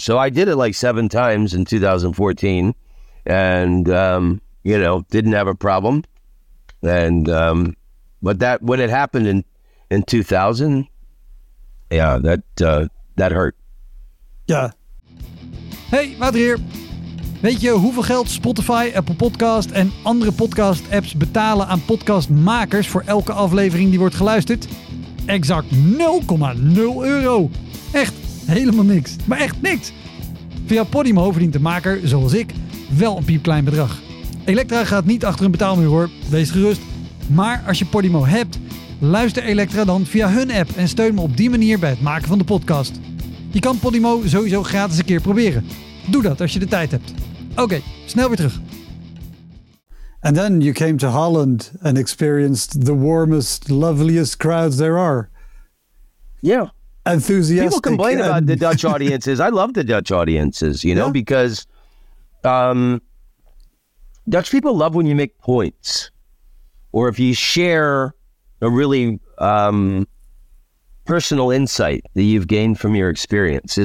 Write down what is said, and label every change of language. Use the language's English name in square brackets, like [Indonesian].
[English] So I did it like 7 times in 2014, and, you know, didn't have a problem. And, but that, when it happened in 2000, yeah, that hurt. Yeah. [Dutch] Hey, Wouter hier. Weet je hoeveel geld Spotify, Apple Podcast en andere podcast apps betalen aan podcastmakers voor elke aflevering die wordt geluisterd? Exact 0,0 euro. Echt helemaal niks. Maar echt niks. Via Podimo verdient de maker, zoals ik, wel een piepklein bedrag. Elektra gaat niet achter een betaalmuur, hoor. Wees gerust. Maar als je Podimo hebt, luister Elektra dan via hun app en steun me op die manier bij het maken van de podcast. Je kan Podimo sowieso gratis een keer proberen. Doe dat als je de tijd hebt. Oké, snel weer terug. [English] And then you came to Holland and experienced the warmest, loveliest crowds there are. Yeah. Enthusiastic. People complain about the Dutch audiences. I love the Dutch audiences, you know, because Dutch people love when you make points, or if you share a really personal insight that you've gained from your experience.